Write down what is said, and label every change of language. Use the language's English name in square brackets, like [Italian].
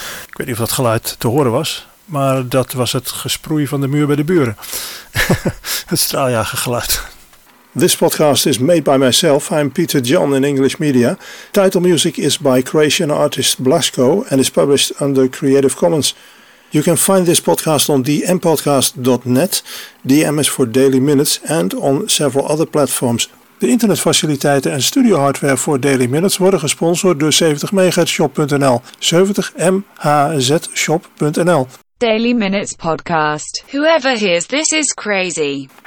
[Dutch] Ik weet niet of dat geluid te horen was, maar dat was het gesproei van de muur bij de buren. Het straaljagergeluid. [English] This podcast is made by myself. I'm Peter John in English Media. Title music is by Croatian artist Blasko and is published under Creative Commons. You can find this podcast on dmpodcast.net. DM is for Daily Minutes and on several other platforms. [Dutch] De internetfaciliteiten en studio hardware voor Daily Minutes worden gesponsord door 70MHzShop.nl. 70MHzShop.nl. [English] Daily Minutes Podcast. Whoever hears this is crazy.